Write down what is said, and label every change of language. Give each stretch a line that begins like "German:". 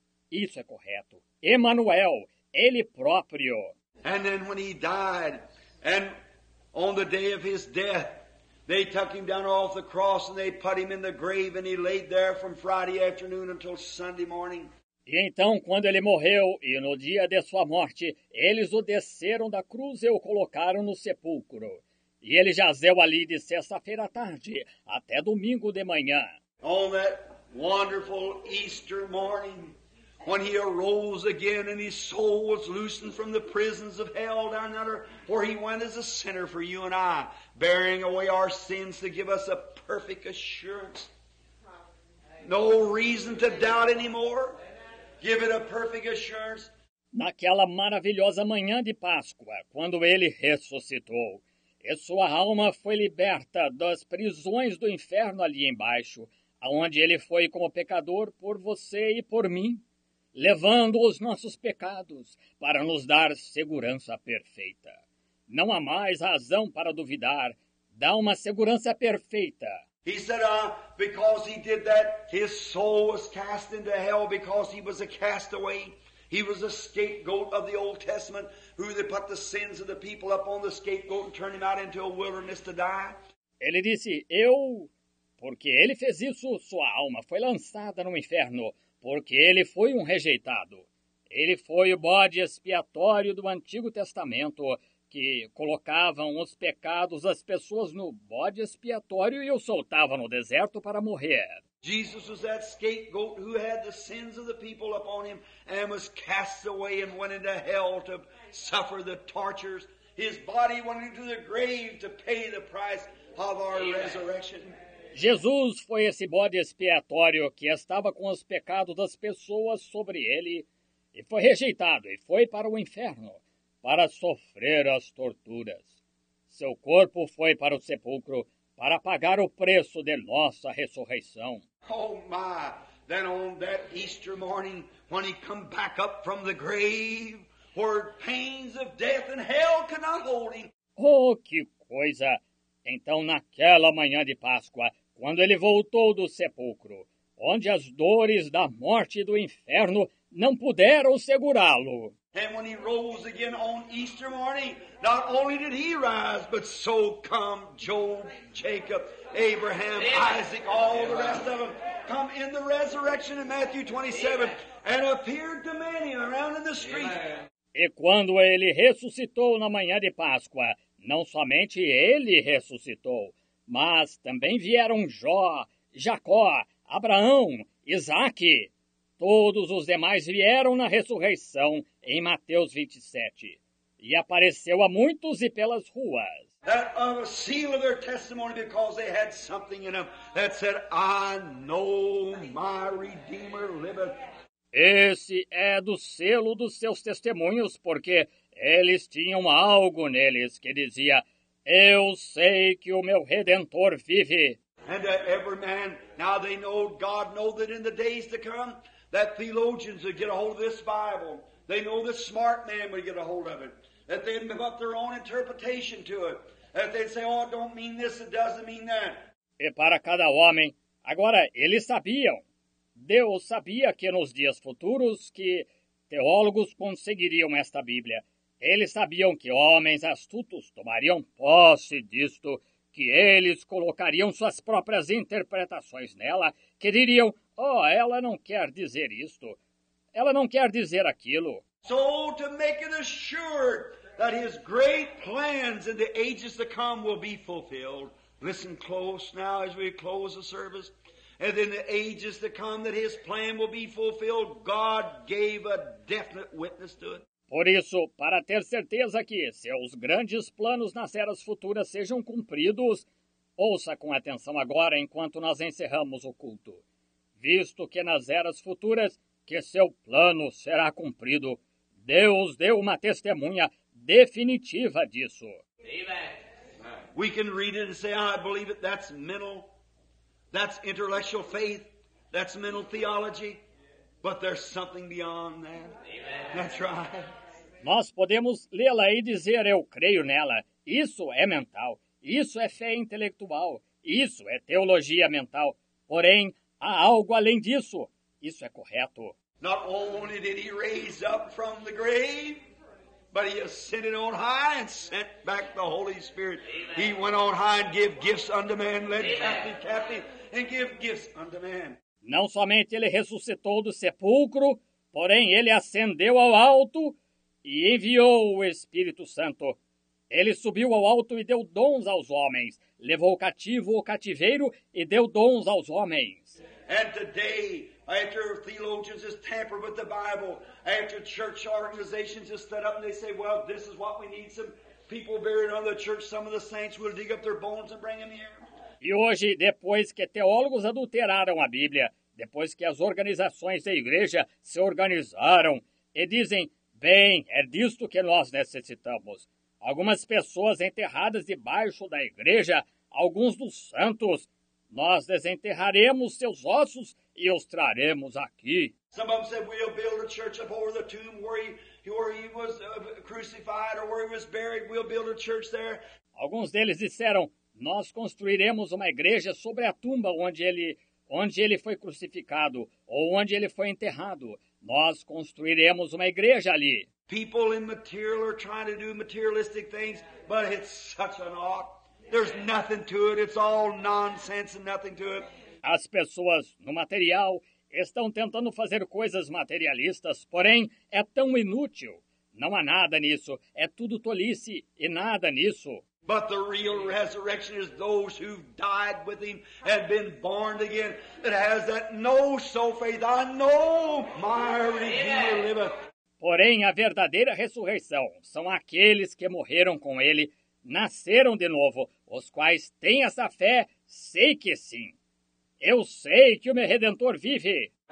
Portuguese: Isso é correto. Emmanuel, ele próprio.
English: And then when he died, and on the day of his death, they took him down off the cross and they put him in the grave and he laid there from Friday afternoon until Sunday morning.
Portuguese: E então, quando ele morreu, e no dia de sua morte, eles o desceram da cruz e o colocaram no sepulcro. E ele jazeu ali de sexta-feira à tarde até domingo de manhã.
English: On that wonderful Easter morning, when he arose again and his soul was loosened from the prisons of hell down under, where he went as a sinner for you and I, bearing away our sins to give us a perfect assurance. No reason to doubt anymore. Give it a perfect assurance.
Portuguese: Naquela maravilhosa manhã de Páscoa, quando ele ressuscitou, e sua alma foi liberta das prisões do inferno ali embaixo, aonde ele foi como pecador por você e por mim, levando os nossos pecados para nos dar segurança perfeita. Não há mais razão para duvidar. Dá uma segurança perfeita.
English: He said, because he did that, his soul was cast into hell because he was a castaway. He was a scapegoat of the Old Testament, who they put the sins of the people up on the scapegoat and turned him out into a wilderness to die.
Portuguese: Ele disse, eu, porque ele fez isso, sua alma foi lançada no inferno, porque ele foi um rejeitado. Ele foi o bode expiatório do Antigo Testamento, que colocavam os pecados das pessoas no bode expiatório e o soltavam no deserto para morrer.
English: Jesus was that scapegoat who had the sins of the people upon him and was cast away and went into hell to suffer the tortures. His body went into the grave to pay the price of our resurrection.
Portuguese: Jesus foi esse bode expiatório que estava com os pecados das pessoas sobre ele e foi rejeitado e foi para o inferno para sofrer as torturas. Seu corpo foi para o sepulcro para pagar o preço de nossa ressurreição.
English: Oh my, then on that Easter morning, when he come back up from the grave, where pains of death and hell cannot hold him.
Portuguese: Oh, que coisa! Então, naquela manhã de Páscoa, quando ele voltou do sepulcro, onde as dores da morte e do inferno não puderam segurá-lo.
English: And when he rose again on Easter morning, not only did he rise, but so come Job, Jacob, Abraham, Isaac, all the rest of them, come in the resurrection in Matthew 27, and appeared to many around in the street.
Portuguese: E quando ele ressuscitou na manhã de Páscoa, não somente ele ressuscitou, mas também vieram Jó, Jacó, Abraão, Isaque. Todos os demais vieram na ressurreição em Mateus 27. E apareceu a muitos e pelas ruas.
English: That of a seal of their testimony, because they had something in them that said, I know my Redeemer liveth.
Portuguese: Esse é do selo dos seus testemunhos, porque eles tinham algo neles que dizia, eu sei que o meu Redentor vive.
English: And every man, now they know, God know that in the days to come, that theologians would get a hold of this Bible. They know this smart man would get a hold of it. That they'd give up their own interpretation to it. That they'd say, oh, it don't mean this, it doesn't mean that.
Portuguese: E para cada homem, agora eles sabiam. Deus sabia que nos dias futuros que teólogos conseguiriam esta Bíblia. Eles sabiam que homens astutos tomariam posse disto, que eles colocariam suas próprias interpretações nela, que diriam, oh, ela não quer dizer isto, ela não quer dizer aquilo.
English: So to make it assured that his great plans in the ages to come will be fulfilled. Listen close now as we close the service. And in the ages to come that his plan will be fulfilled, God gave a definite witness to it.
Portuguese: Por isso, para ter certeza que seus grandes planos nas eras futuras sejam cumpridos, ouça com atenção agora enquanto nós encerramos o culto. Visto que nas eras futuras que seu plano será cumprido, Deus deu uma testemunha definitiva disso.
English: Amen. We can read it and say, I believe it, that's mental. That's intellectual faith. That's mental theology. But there's something beyond that. Amen. That's right.
Portuguese: Nós podemos lê-la e dizer, eu creio nela. Isso é mental. Isso é fé intelectual. Isso é teologia mental. Porém, há algo além disso. Isso é correto.
English: Not only did he raise up from the grave, but he ascended on high and sent back the Holy Spirit. Amen. He went on high and gave gifts unto man, led captive captive, and gave gifts unto man.
Portuguese: Não somente ele ressuscitou do sepulcro, porém ele ascendeu ao alto e enviou o Espírito Santo. Ele subiu ao alto e deu dons aos homens. Levou o cativo ao cativeiro e deu dons aos homens.
English: And today, after theologians have tampered with the Bible, after church organizations have stood up and they say, well, this is what we need, some people buried under the church, some of the saints will dig up their bones and bring them here.
Portuguese: E hoje, depois que teólogos adulteraram a Bíblia, depois que as organizações da igreja se organizaram e dizem, bem, é disto que nós necessitamos. Algumas pessoas enterradas debaixo da igreja, alguns dos santos, nós desenterraremos seus ossos e os traremos aqui.
English: Some of them said we'll build a church up over the tomb where he was crucified or where he was buried. We'll build a church there.
Portuguese: Alguns deles disseram, nós construiremos uma igreja sobre a tumba onde ele foi crucificado ou onde ele foi enterrado. Nós construiremos uma igreja ali.
English: People in material are trying to do materialistic things, but it's such an ought. There's nothing to it. It's all nonsense and nothing to it.
Portuguese: As pessoas no material estão tentando fazer coisas materialistas, porém é tão inútil. Não há nada nisso. É tudo tolice e nada nisso.
English: But the real resurrection is those who've died with him and been born again. It has that know so faith. I know my Redeemer liveth.
Portuguese: Porém, a verdadeira ressurreição são aqueles que morreram com ele, nasceram de novo, os quais têm essa fé, sei que sim. Eu sei que o meu Redentor vive.